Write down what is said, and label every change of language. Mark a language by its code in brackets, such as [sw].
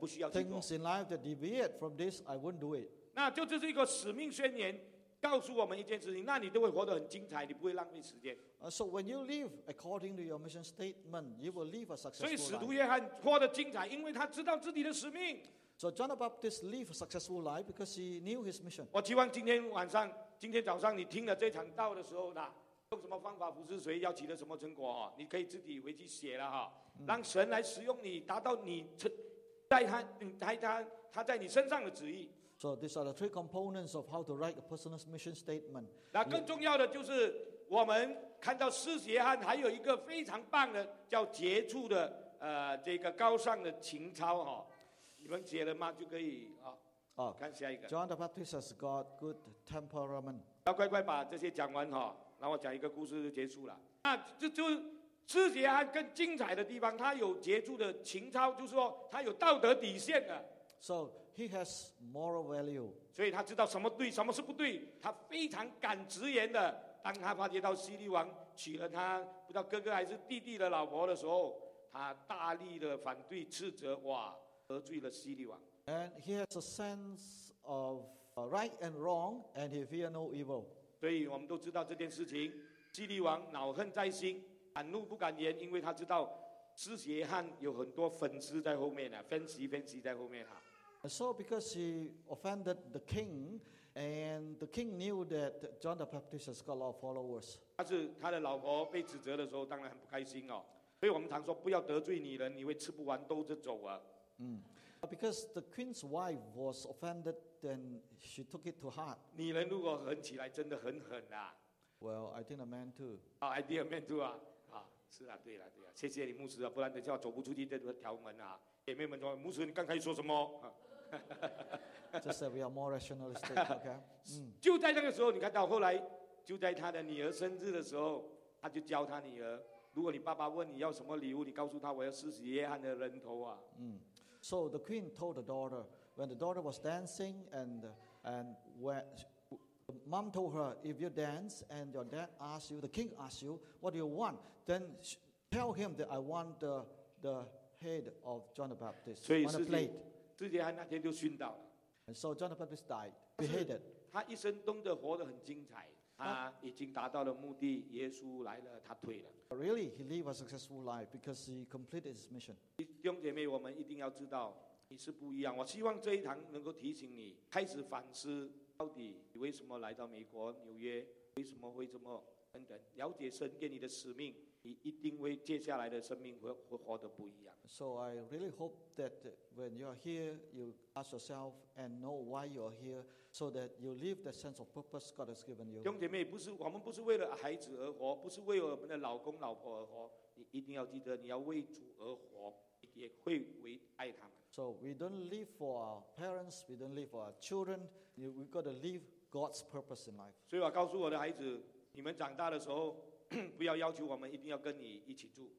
[en] Things in life that deviate from this, I wouldn't do it. [zh] 那就这是一个使命宣言，告诉我们一件事情，那你都会活得很精彩，你不会浪费时间。 [en] So when you live according to your mission statement, you will live a successful life. [zh] 所以使徒约翰活得精彩，因为他知道自己的使命。 [en] So John the Baptist lived a successful life because he knew his mission. [zh] 我希望今天晚上，今天早上你听了这场道的时候呢，用什么方法服侍谁，要取得什么成果，你可以自己回去写了，让神来使用你，达到你他在你身上的旨意。 [en] So these are the three components of how to write a personal mission statement. [zh] 那更重要的就是我们看到施洗约翰还有一个非常棒的叫杰出的这个高尚的情操，你们写了吗？就可以看下一个。 [en] John the Baptist has got good temperament. [zh] 要乖乖把这些讲完，然后我讲一个故事就结束了。那这就施洗约翰更精彩的地方，他有杰出的情操，就是说他有道德底线的。 [en] So he has moral value. [zh] 所以他知道什么对，什么是不对。他非常敢直言的，当他发觉到希律王娶了他不知道哥哥还是弟弟的老婆的时候，他大力的反对斥责，哇，得罪了希律王。 [en] And he has a sense of right and wrong, and he fear no evil. [zh] 所以我们都知道这件事情，希律王恼恨在心，敢怒不敢言，因为他知道施洗约翰有很多粉丝在后面，分析在后面。 [en] So because he offended the king, and the king knew that John the Baptist has got a lot of followers. [zh] 但是他的老婆被指责的时候当然很不开心，所以我们常说不要得罪女人，你会吃不完兜着走。 [en] Because the queen's wife was offended, then she took it to heart. [zh] 女人如果狠起来，真的很狠啊。 [en] Well, I think a man too. Oh, I think a man too. [zh] 是啊，对了，对了，谢谢你牧师啊，不然等下我走不出去这条门啊。姐妹们说，牧师，你刚才说什么？ [en] Just that we are more rationalistic, okay? [zh] 就在那个时候，你看到后来，就在他的女儿生日的时候，他就教他女儿：如果你爸爸问你要什么礼物，你告诉他我要施洗约翰的人头啊。 [en] So the queen told the daughter, when the daughter was dancing, and when the mom told her, if you dance and your dad asks you, the king asks you, what do you want? Then tell him that I want the head of John the Baptist on a plate. [zh] 自己还那天就殉道了。 [en] And so John the Baptist died, beheaded. [zh] 他一生都得活得很精彩。他已经达到了目的，耶稣来了，他退了。 [en] Really, he lived a successful life because he completed his mission. [zh] 弟兄姐妹，我们一定要知道，你是不一样。我希望这一堂能够提醒你开始反思，到底你为什么来到美国纽约，为什么会这么等等，了解神给你的使命，你一定会接下来的生命 会活得不一样。 [en] So I really hope that when you are here, you ask yourself and know why you are here, so that you live the sense of purpose God has given you. [zh] 弟兄姐妹，不是我们不是为了孩子而活，不是为了我们的老公老婆而活，你一定要记得你要为主而活，也会为爱他们。 [en] So we don't live for our parents, we don't live for our children, we've got to live God's purpose in life. [zh] 所以我告诉我的孩子，你们长大的时候不要要求我们一定要跟你一起住。